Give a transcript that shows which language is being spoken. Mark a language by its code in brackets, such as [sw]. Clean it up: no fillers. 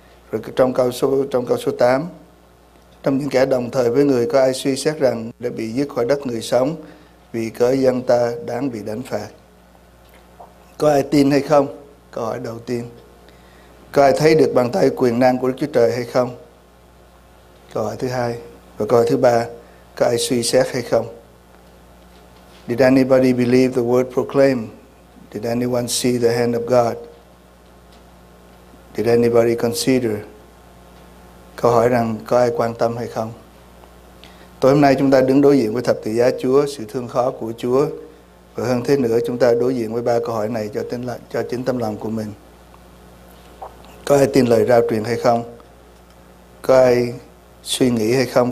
[vi] Rồi trong câu số 8, trong những kẻ đồng thời với người, có ai suy xét rằng đã bị dứt khỏi đất người sống vì cớ dân ta đáng bị đánh phạt? Có ai tin hay không? Câu hỏi đầu tiên. Có ai thấy được bàn tay quyền năng của Đức Chúa Trời hay không? Câu hỏi thứ hai. Và câu hỏi thứ ba, có ai suy xét hay không? [en] Did anybody believe the word proclaimed? Did anyone see the hand of God? Did anybody consider? [vi] Câu hỏi rằng có ai quan tâm hay không? Tối hôm nay chúng ta đứng đối diện với thập tự giá Chúa, sự thương khó của Chúa. Và hơn thế nữa, chúng ta đối diện với ba câu hỏi này cho chính tâm lòng của mình. Có ai tin lời rao truyền hay không? Có ai suy nghĩ hay không?